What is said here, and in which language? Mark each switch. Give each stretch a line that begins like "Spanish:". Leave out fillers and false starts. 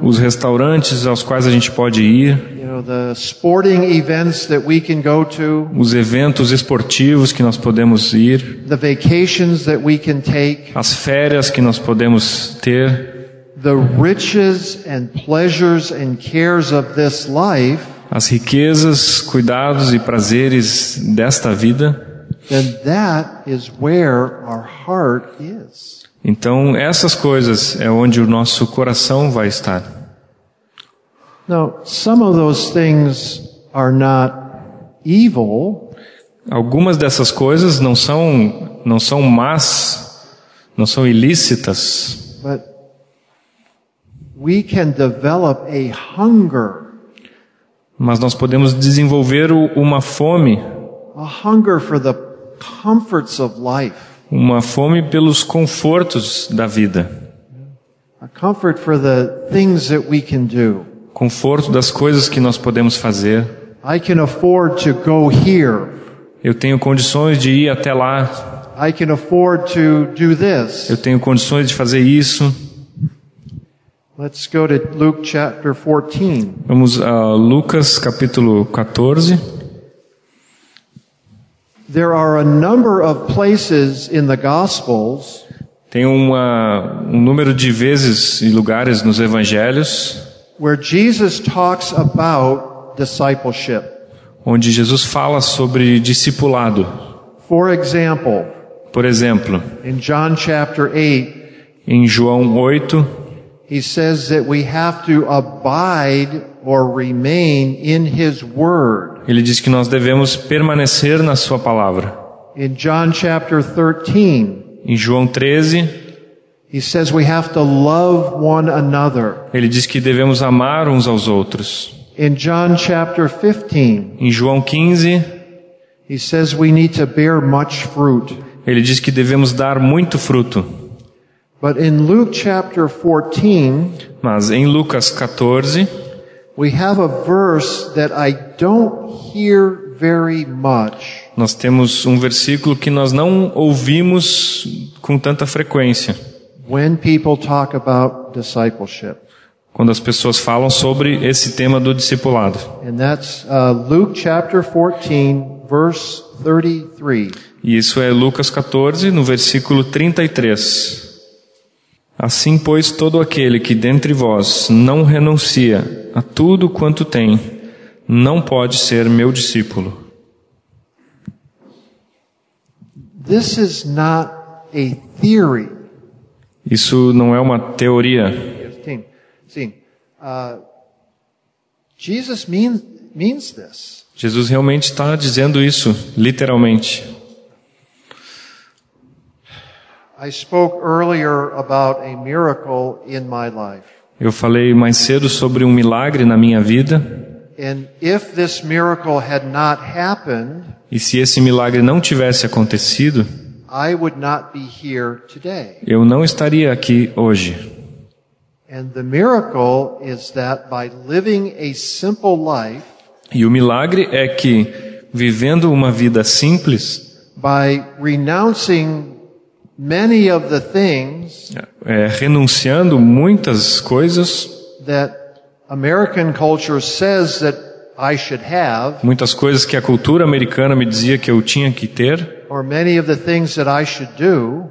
Portuguese: os restaurantes aos quais a gente pode ir,
English: you know, the sporting events that we can go to,
Portuguese: os eventos esportivos que nós podemos ir,
English: the vacations that we can take,
Portuguese: as férias que nós podemos ter,
English: the riches and pleasures and cares of this life,
Portuguese: as riquezas, cuidados e prazeres desta vida,
English: then that is where our heart is.
Portuguese: Então essas coisas é onde o nosso coração vai estar.
English: Now, some of those things are not evil.
Portuguese: Algumas dessas coisas não são más, não são ilícitas.
English: But we can develop a hunger.
Portuguese: Mas nós podemos desenvolver uma fome.
English: A hunger for the comforts of life.
Portuguese: Uma fome pelos confortos da vida.
English: A comfort for the things that we can do.
Portuguese: Conforto das coisas que nós podemos fazer.
English: I can afford to go here.
Portuguese: Eu tenho condições de ir até lá.
English: I can afford to do this.
Portuguese: Eu tenho condições de fazer isso.
English: Let's go to Luke chapter 14.
Portuguese: Vamos a Lucas capítulo 14.
English: There are a number of places in the Gospels.
Portuguese: Tem um número de vezes e lugares nos evangelhos
English: where Jesus talks about discipleship.
Portuguese: Onde Jesus fala sobre discipulado.
English: For example,
Portuguese: por exemplo,
English: in John chapter 8,
Portuguese: em João 8,
English: he says that we have to abide or remain in his word.
Portuguese: Ele diz que nós devemos permanecer na sua palavra.
English: In John chapter 13,
Portuguese: em João 13,
English: he says we have to love one another.
Portuguese: Ele diz que devemos amar uns aos outros.
English: In John chapter 15,
Portuguese: em João 15,
English: he says we need to bear much fruit.
Portuguese: Ele diz que devemos dar muito fruto.
English: But in Luke chapter 14,
Portuguese: mas em Lucas 14,
English: we have a verse that I don't hear very much.
Portuguese: Nós temos um versículo que nós não ouvimos com tanta frequência.
English: When people talk about discipleship.
Portuguese: Quando as pessoas falam sobre esse tema do discipulado.
English: And that's Luke chapter 14, verse 33.
Portuguese: E isso é Lucas 14, no versículo 33. Assim, pois, todo aquele que dentre vós não renuncia a tudo quanto tem, não pode ser meu discípulo.
English: This is not a theory.
Portuguese: Isso não é uma teoria. Sim.
English: Jesus means this.
Portuguese: Jesus realmente está dizendo isso, literalmente.
English: I spoke earlier about a miracle in my life.
Portuguese: Eu falei mais cedo sobre um milagre na minha vida.
English: And if this miracle had not happened,
Portuguese: e se esse milagre não tivesse acontecido,
English: I would not be here today.
Portuguese: Eu não estaria aqui hoje.
English: And the miracle is that by living a simple life,
Portuguese: e o milagre é que vivendo uma vida simples,
English: by renouncing many of the things,
Portuguese: renunciando muitas coisas,
English: that American culture says that I should have,
Portuguese: muitas coisas que a cultura americana me dizia que eu tinha que ter,
English: or many of the things that I should do,